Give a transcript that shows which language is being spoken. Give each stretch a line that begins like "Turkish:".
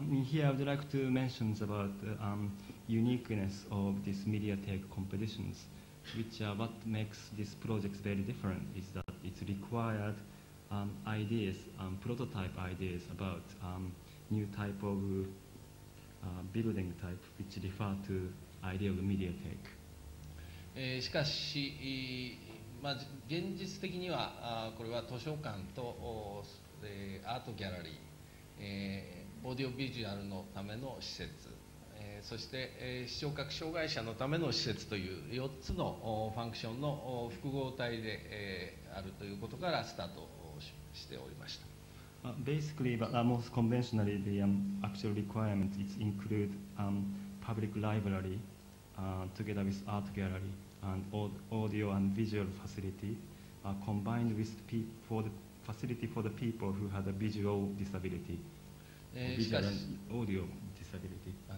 English: Here I would like to mention about the uniqueness of these media take competitions, which are what makes this project very different is that it's required ideas, prototype ideas about new type of building type, which refer to idea of media take.
Japanese: しかし、現実的にはこれは図書館とアートギャラリー、オーディオビジュアルのための施設、そして視聴覚障害者のための施設という4つのファンクションの複合体で、あるということからスタートしておりました。
English: Basically, but most conventionally, the actual requirements it include public library together with art gallery and audio and visual facility combined with for the facility for the people who had a visual disability, visual and audio disability.